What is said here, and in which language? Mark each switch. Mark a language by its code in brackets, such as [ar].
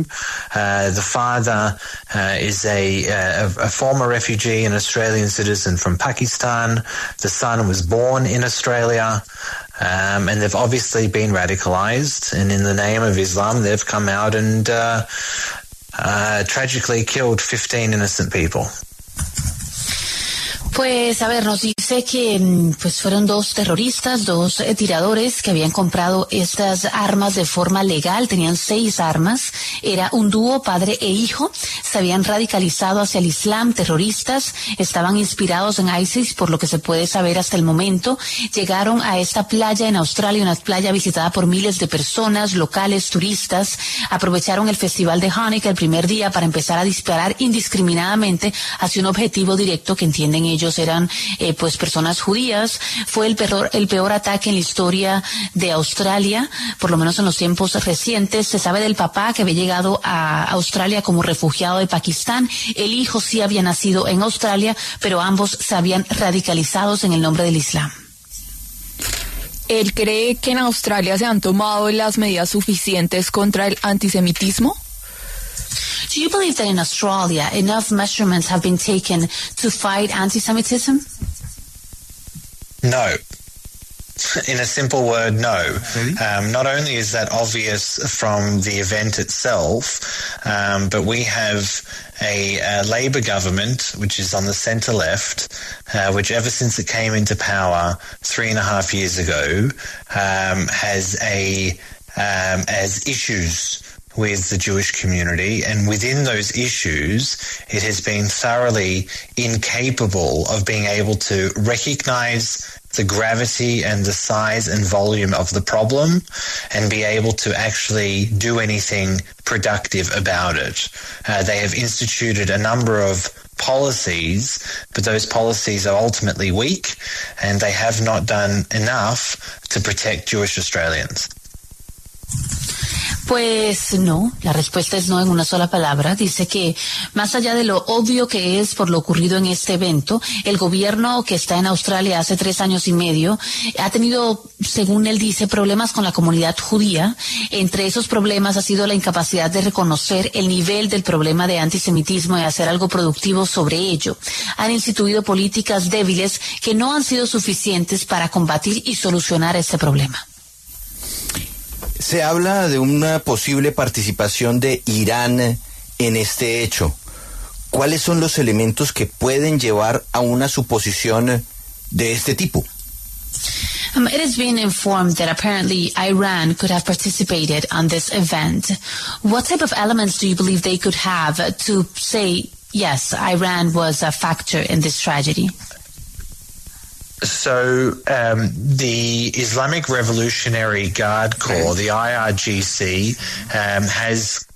[en] The father is a former refugee and Australian citizen from Pakistan. The son was born in Australia, and they've obviously been radicalized. And in the name of Islam, they've come out and tragically killed 15 innocent people. [es] Pues a ver, nos dice que pues fueron dos terroristas, dos tiradores que habían comprado estas armas de forma legal, tenían seis armas, era un dúo, padre e hijo, se habían radicalizado hacia el Islam, terroristas, estaban inspirados en ISIS, por lo que se puede saber hasta el momento, llegaron a esta playa en Australia, una playa visitada por miles de personas, locales, turistas, aprovecharon el festival de Hanukkah el primer día para empezar a disparar indiscriminadamente hacia un objetivo directo que entienden ellos. Ellos eran pues personas judías. Fue el peor ataque en la historia de Australia, por lo menos en los tiempos recientes. Se sabe del papá, que había llegado a Australia como refugiado de Pakistán. El hijo sí había nacido en Australia, pero ambos se habían radicalizado en el nombre del Islam. ¿Él cree que en Australia se han tomado las medidas suficientes contra el antisemitismo? [en] Do you believe that in Australia enough measurements have been taken to fight anti-Semitism? No. In a simple word, no. Mm-hmm. Not only is that obvious from the event itself, but we have a Labor government, which is on the centre-left, which ever since it came into power 3.5 years ago, has issues with the Jewish community, and within those issues, it has been thoroughly incapable of being able to recognize the gravity and the size and volume of the problem and be able to actually do anything productive about it. They have instituted a number of policies, but those policies are ultimately weak, and they have not done enough to protect Jewish Australians. [es] Pues no, la respuesta es no en una sola palabra. Dice que más allá de lo obvio que es por lo ocurrido en este evento, el gobierno que está en Australia hace 3 años y medio ha tenido, según él dice, problemas con la comunidad judía. Entre esos problemas ha sido la incapacidad de reconocer el nivel del problema de antisemitismo y hacer algo productivo sobre ello. Han instituido políticas débiles que no han sido suficientes para combatir y solucionar este problema. Se habla de una posible participación de Irán en este hecho. ¿Cuáles son los elementos que pueden llevar a una suposición de este tipo? [en] It has been informed that apparently Iran could have participated on this event. What type of elements do you believe they could have to say, yes, Iran was a factor in this tragedy? So the Islamic Revolutionary Guard Corps, the IRGC, has